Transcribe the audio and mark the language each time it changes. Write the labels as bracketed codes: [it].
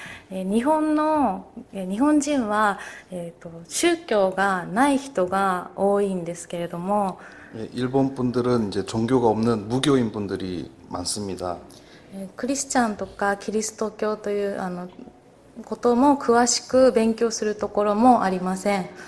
[ja] 日本人は、宗教がない人が多いんですけれども、 [ko] 예, 일본 분들은 이제 종교가 없는 무교인 분들이 많습니다. [ja] 크리스チャンとかキリスト教ということも詳しく勉強するところもありません。